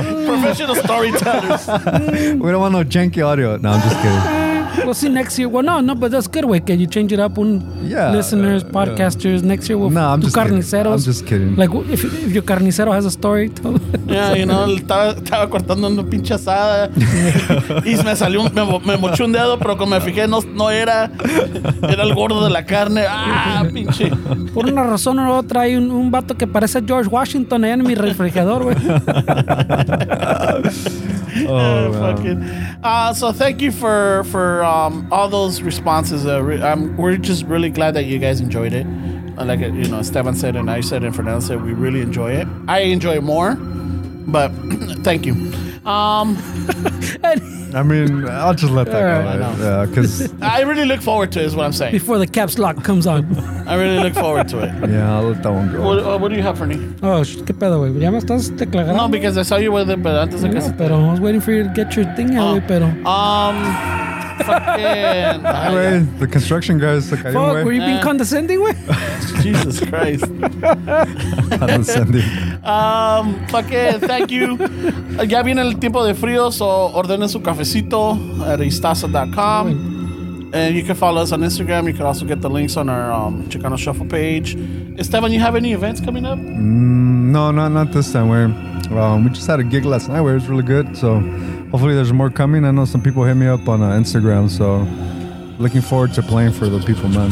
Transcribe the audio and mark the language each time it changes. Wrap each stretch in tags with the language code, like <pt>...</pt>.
<en>Professional storytellers. We don't want no janky audio. No, I'm just kidding. We'll see next year. Well, no, but that's good. Wait, can you change it up when listeners, podcasters, next year we'll do carniceros. Kidding. I'm just kidding. Like, if your carnicero has a story, tell us. Yeah, you know,</en> <es>estaba cortando una pinche asada. Y me salió, me mochó un dedo, pero cuando me fijé, no era. Era el gordo de la carne. Ah, pinche. Por una razón o otra, hay un vato que parece George Washington en mi refrigerador, güey.</es> <en>Oh, so thank you for all those responses. We're just really glad that you guys enjoyed it. Like, you know, Esteban said and I said and Fernando said, we really enjoy it. I enjoy it more, but thank you. I mean, I'll just let that go. Right. Yeah, because I really look forward to it, is what I'm saying. Before the caps lock comes on. I really look forward to it. Yeah, I'll let that one go. What do you have for me?</en> <es>Oh, qué pedo, güey. Ya me estás declarando.</es> <en>No, because I saw you with it, but</en> <es>antes de que se...</es> <en>Pero I was waiting for you to get your thing out, pero... fucking... Anyway, the construction guys... Fuck, were you being condescending, güey? Jesus Christ. Condescending. Fucking, thank you.</en> <es>Ya viene el tiempo de frío, so ordenen su cafecito at istasa.com.</es> <en>And you can follow us on Instagram. You can also get the links on our Chicano Shuffle page. Esteban, you have any events coming up? No, not this time. We just had a gig last night where it was really good. So hopefully there's more coming. I know some people hit me up on Instagram. So looking forward to playing for the people, man.</en>